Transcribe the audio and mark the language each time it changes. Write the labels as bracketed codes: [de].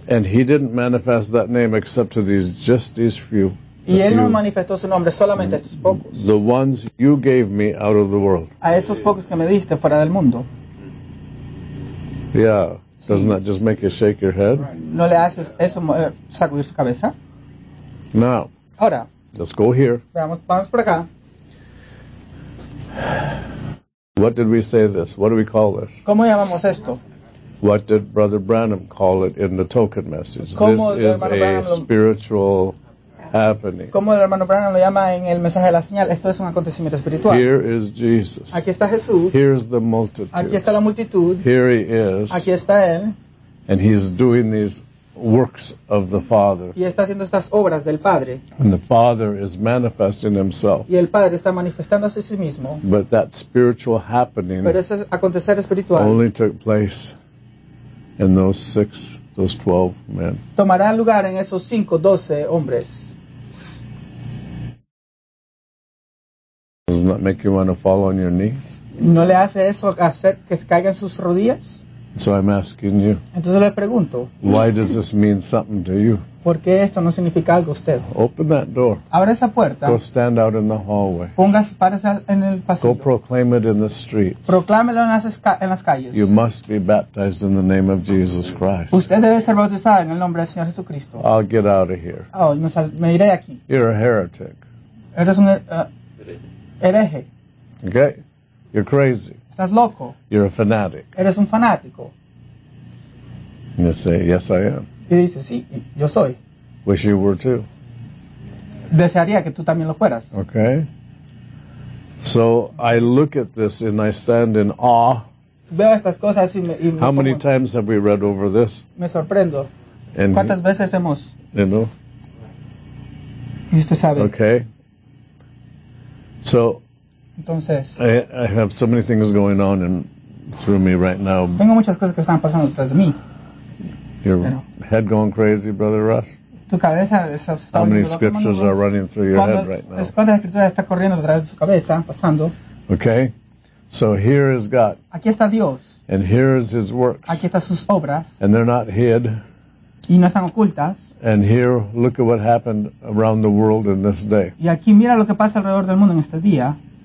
[en] And he didn't manifest that name except to just these few. [es] Y él no manifestó su nombre solamente a estos pocos. [en] The ones you gave me out of the world. [es] A esos pocos que me diste fuera del mundo. [en] Yeah, doesn't that just make you shake your head? [es] ¿No le hace eso sacudir su cabeza? [en] Now, [es] ahora, [en] let's go here. [es] Veamos, vamos por acá. [en] What did we say this? What do we call this? [es] ¿Cómo llamamos esto? [en] What did Brother Branham call it in the token message? [es] ¿Cómo [en] this is Branham [es] a lo [en] spiritual happening. [es] ¿Cómo el hermano Branham lo llama en el mensaje de la señal? Esto es un acontecimiento espiritual. [en] Here is Jesus. [es] Aquí está Jesús. [en] Here is the multitude. [es] Aquí está la multitud. [en] Here he is. [es] Aquí está él. [en] And he's doing these works of the Father. [es] Y está haciendo estas obras del Padre. [en] And the Father is manifesting himself. [es] Y el Padre está manifestándose a sí mismo. [en] But that spiritual happening. [es] Pero ese acontecer espiritual. [en] Only took place in those 12 men. [es] Tomará lugar en esos 5, 12 hombres. [en] Doesn't that make you want to fall on your knees? [es] ¿No le hace eso hacer que se caigan sus rodillas? [en] So I'm asking you. [es] Entonces le pregunto. [en] Why does this mean something to you? [es] ¿Por qué esto no significa algo a usted? [en] Open that door. [es] Abre esa puerta. [en] Go stand out in the hallway. [es] Póngase, párese en el pasillo. [en] Go proclaim it in the streets. [es] Proclámelo en las calles. [en] You must be baptized in the name of Jesus Christ. [es] Usted debe ser bautizado en el nombre del Señor Jesucristo. [en] I'll get out of here. [es] Oh, me iré aquí. [en] You're a heretic. [es] Eres un hereje. [en] Okay. You're crazy. [es] Estás loco. [en] You're a fanatic. [es] Eres un fanático. [en] And you say, yes, I am. [es] Y dice, sí, yo soy. [en] Wish you were too. [es] Desearía que tú también lo fueras. [en] Okay. So I look at this and I stand in awe. [es] Veo estas cosas y me [en] how [es] tomo. [en] Many times have we read over this? [es] Me sorprendo. [en] And [es] ¿cuántas veces hemos? [en] You know? [es] Y usted sabe. [en] Okay. So, [es] entonces, [en] I have so many things going on and through me right now. [es] Tengo muchas cosas que están pasando detrás de mí. [en] Your head going crazy, Brother Russ? [es] Tu cabeza está [en] how many scriptures are running through your head right now? [es] ¿Cuántas escrituras está corriendo detrás de su cabeza, pasando? [en] Okay, so here is God. [es] Aquí está Dios. [en] And here is his works. [es] Aquí están sus obras. [en] And they're not hid. [es] Y no están ocultas. [en] And here, look at what happened around the world in this day. [es] Y aquí mira lo que pasa alrededor del mundo en este día.